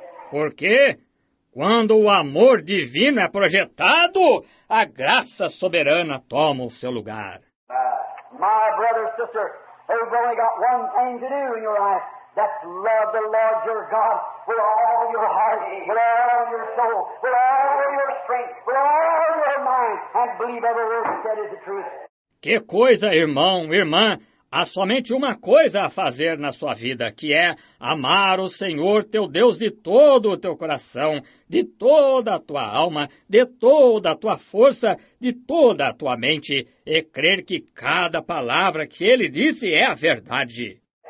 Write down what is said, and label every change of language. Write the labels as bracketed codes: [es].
[pt] Porque quando o amor divino é projetado, a graça soberana toma o seu lugar. [en] My brother, sister, you've only got one thing to do in your life. That's love the Lord your God with all your heart, with all your soul, with all your strength, with all your mind, and believe every word he said is the truth. [pt] Que coisa, irmão, irmã? Há somente uma coisa a fazer na sua vida, que é amar o Senhor teu Deus de todo o teu coração, de toda a tua alma, de toda a tua força, de toda a tua mente, e crer que cada palavra que ele disse é a verdade.